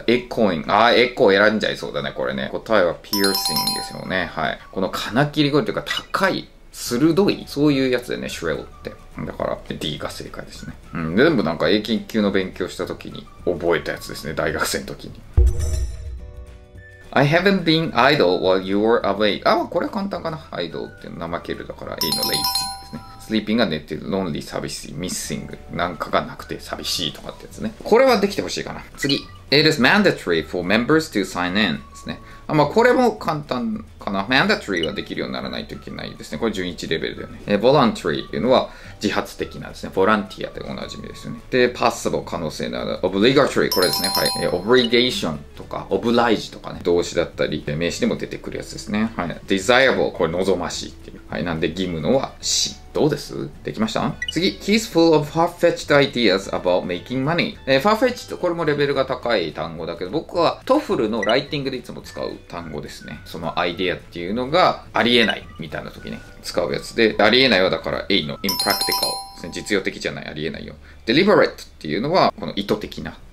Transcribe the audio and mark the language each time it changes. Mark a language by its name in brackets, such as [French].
[Japanese] echoing、あー、echo 選んじゃいそうだね、これね。答えは piercing ですよね。はい。この金切り声というか、高い、鋭い、そういうやつでね、shrill って。だから、D が正解ですね。うん、全部なんか、英検1級の勉強した時に覚えたやつですね、大学生の時に。 [English] I haven't been idle while you were away. [Japanese] あ、これは簡単かな。 idle っていうの、怠けるだから、A の lazy。sleeping が寝てる、lonely、寂しい、missing、なんかがなくて寂しいとかってやつね。これはできてほしいかな。次。 [English] It is mandatory for members to sign in ですね。 [Japanese] あ、まあこれも簡単かな。mandatory はできるようにならないといけないですね。これ順1レベルだよね。voluntary っていうのは自発的なんですね。ボランティアでおなじみですよね。で、possible 可能性なら、obligatory これですね。はい。 obligation とか、oblige とかね。動詞だったり、名詞でも出てくるやつですね。はい。desirable これ望ましいっていう。はい、なんで義務のは C。どうです?できました? [English] 次、He's full of far-fetched ideas about making money。 [Japanese] Far-fetched、これもレベルが高い単語だけど、僕はTOEFLのライティングでいつも使う単語ですね。そのアイデアっていうのがありえないみたいな時ね、使うやつで、ありえないはだから A の impractical ですね。実用的じゃない、ありえないよ。Deliberate っていうのはこの意図的な。